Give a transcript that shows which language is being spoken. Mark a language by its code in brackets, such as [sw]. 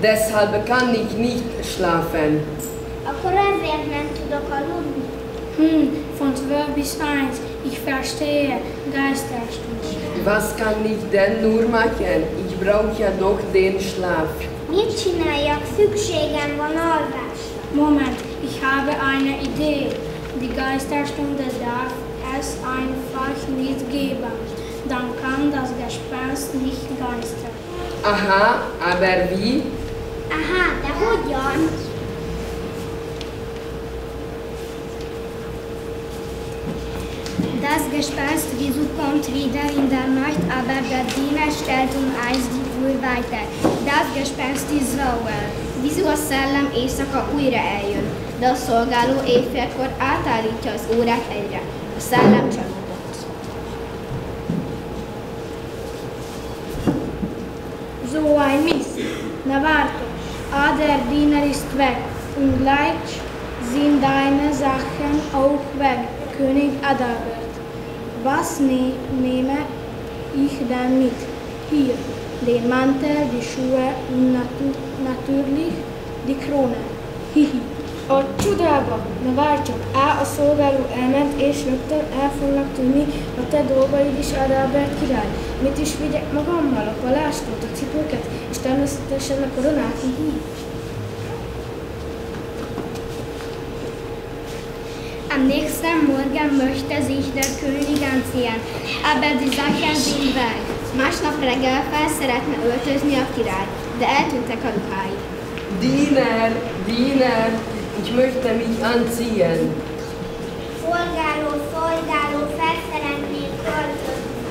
[de] Deshalb kann ich nicht schlafen. [hu] Akkor ezért nem tudok aludni. [de] Von 12 bis 1. Ich verstehe, Geisterstunde. Was kann ich denn nur machen? Ich brauche ja doch den Schlaf. [hu] Mit csináljak? Szükségem van alvásra. [de] Moment, ich habe eine Idee. Die Geisterstunde darf es einfach nicht geben. Dann kann das Gespenst nicht geistern. Aha, aber wie? [hu] Aha, de hogyan? [de] Das Gespenst Wieso kommt wieder in der Nacht, aber der Diener stellt um 1 die Uhr weiter. Das Gespenst ist sauer. [hu] Wieso a szellem éjszaka újra eljön? De a szolgáló éjfélkor átállítja az órát egyre. A szellem csalódott. [de] So ein Mist. Na warte. Der Diener ist weg. Und gleich sind deine Sachen auch weg, König Adalbert. Was nehme ich denn mit? Hier, den Mantel, die Schuhe und natürlich die Krone. [hu] Hihi. A csodába, na várjunk. Á, a szolgáló elment, és rögtön el fognak tűnni a te dolgaid is, Adalbert király. Mit is vigyek magammal? A palástot, a cipőket, és természetesen a koronát? Hihi. [de] Am nächsten Morgen möchte sich der König anziehen, aber die Sachen sind weg. [hu] Másnap reggel fel szeretne öltözni a király, de eltűntek a ruhái. [de] Diener, Diener, ich möchte mich anziehen. [hu] Szolgáló, szolgáló, fel szeretnék öltözni.